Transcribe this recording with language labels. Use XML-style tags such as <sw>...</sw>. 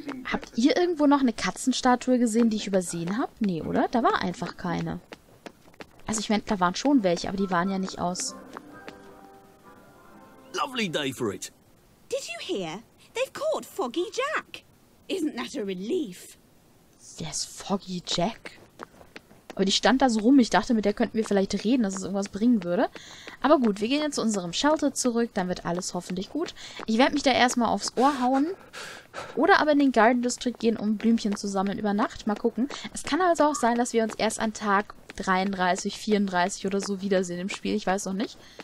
<de>Habt ihr irgendwo noch eine Katzenstatue gesehen, die ich übersehen habe? Nee, oder? Da war einfach keine. Also ich meine, da waren schon welche, aber die waren ja nicht aus.</de> <en>Lovely day for it. Did you hear? They've caught Foggy Jack. Isn't that a relief? Yes, Foggy Jack.</en> <de>Aber die stand da so rum. Ich dachte, mit der könnten wir vielleicht reden, dass es irgendwas bringen würde. Aber gut, wir gehen jetzt zu unserem Shelter zurück. Dann wird alles hoffentlich gut. Ich werde mich da erstmal aufs Ohr hauen. Oder aber in den Garden District gehen, um Blümchen zu sammeln über Nacht. Mal gucken. Es kann also auch sein, dass wir uns erst an Tag 33, 34 oder so wiedersehen im Spiel. Ich weiß noch nicht.</de>